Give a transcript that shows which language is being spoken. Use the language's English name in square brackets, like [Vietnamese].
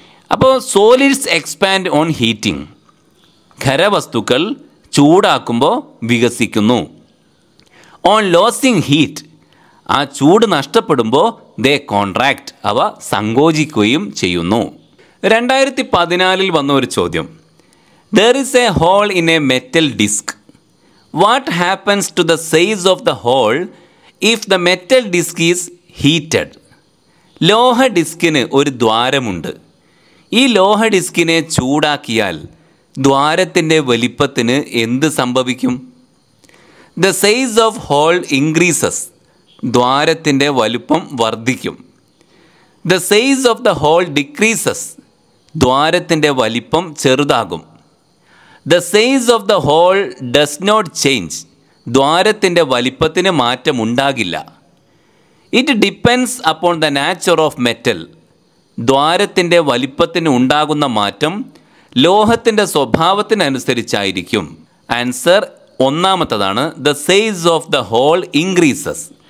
[Malayalam] അപ്പോൾ [English] solids expand on heating, [Malayalam] ഖരവസ്തുക്കൾ ചൂടാക്കുമ്പോൾ വികസിക്കുന്നു. [English] on losing heat, [Malayalam] ആ ചൂട് നഷ്ടപ്പെടുമ്പോൾ ദേ കോൺട്രാക്ട്, അവ സങ്കോചിക്കുകയും ചെയ്യുന്നു. 2014 വന്ന ഒരു ചോദ്യം. [English] There is a hole in a metal disc. What happens to the size of the hole if the metal disc is heated? [Malayalam] ലോഹ ഡിസ്കിന് ഒരു ദ്വാരമുണ്ട്. ഈ ലോഹ ഡിസ്കിനെ ചൂടാക്കിയാൽ ദ്വാരത്തിൻ്റെ വലിപ്പത്തിന് എന്ത് സംഭവിക്കും? [English] The size of hole increases. [Malayalam] ദ്വാരത്തിൻ്റെ വലിപ്പം വർദ്ധിക്കും. [English] The size of the hole decreases. [Malayalam] ദ്വാരത്തിൻ്റെ വലിപ്പം ചെറുതാകും. [English] The size of the hole does not change. [Malayalam] ദ്വാരത്തിൻ്റെ വലിപ്പത്തിന് മാറ്റമുണ്ടാകില്ല. [English] It depends upon the nature of metal. [Malayalam] ദ്വാരത്തിൻ്റെ വലിപ്പത്തിന് ഉണ്ടാകുന്ന മാറ്റം ലോഹത്തിൻ്റെ സ്വഭാവത്തിനനുസരിച്ചായിരിക്കും. [English] answer [Malayalam] ഒന്നാമത്തതാണ്, [English] The size of the hole increases.